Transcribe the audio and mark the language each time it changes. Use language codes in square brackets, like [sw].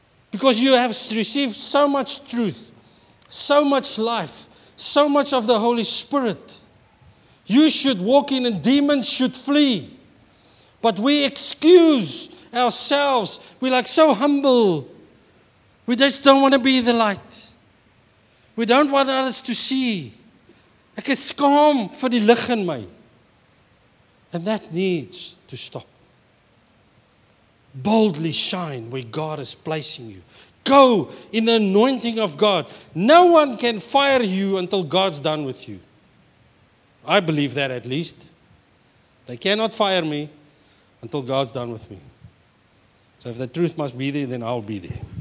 [en] Because you have received so much truth, so much life, so much of the Holy Spirit. You should walk in and demons should flee. But we excuse ourselves. We're like so humble. We just don't want to be the light. We don't want others to see. [af] Ek is skaam vir die lig in my. [en] And that needs to stop. Boldly shine where God is placing you. Go in the anointing of God. No one can fire you until God's done with you. I believe that at least. They cannot fire me until God's done with me. So if the truth must be there, then I'll be there.